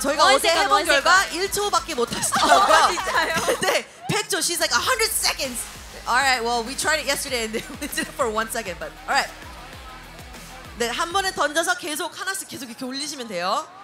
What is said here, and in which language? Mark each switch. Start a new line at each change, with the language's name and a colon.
Korean: 저희가 어제 해본 결과 1초밖에 못 하시더라고요. 진짜요?
English: 100초, she's like 100 seconds. Alright, well, we tried it yesterday and we did it for one second, but alright.
Korean: 네, 한 번에 던져서 계속 하나씩 계속 이렇게 올리시면 돼요.